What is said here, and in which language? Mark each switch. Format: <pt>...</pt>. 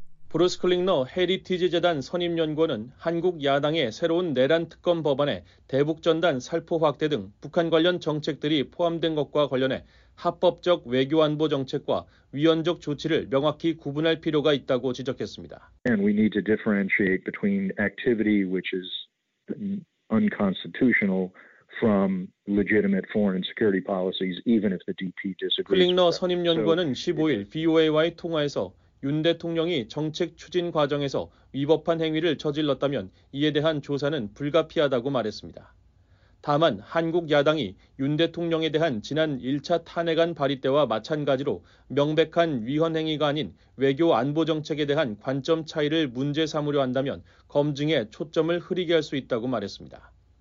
<ko>브루스 클링너 헤리티지 재단 선임연구원은 한국 야당의 새로운 내란 특검 법안에 대북전단 살포 확대 등 북한 관련 정책들이 포함된 것과 관련해 합법적 외교안보 정책과 위헌적 조치를 명확히 구분할 필요가 있다고 지적했습니다.</ko> <en>And we need to differentiate between activity which is unconstitutional from legitimate foreign security policies, even if the DP disagrees.</en> <ko>클링너 선임 연구원은 15일 VOA와의 통화에서 윤 대통령이 정책 추진 과정에서 위법한 행위를 저질렀다면 이에 대한 조사는 불가피하다고 말했습니다. 다만 한국 야당이 윤 대통령에 대한 지난 1차 탄핵안 발의 때와 마찬가지로 명백한 위헌 행위가 아닌 외교 안보 정책에 대한 관점 차이를 문제 삼으려 한다면 검증에 초점을 흐리게 할 수 있다고 말했습니다.</ko>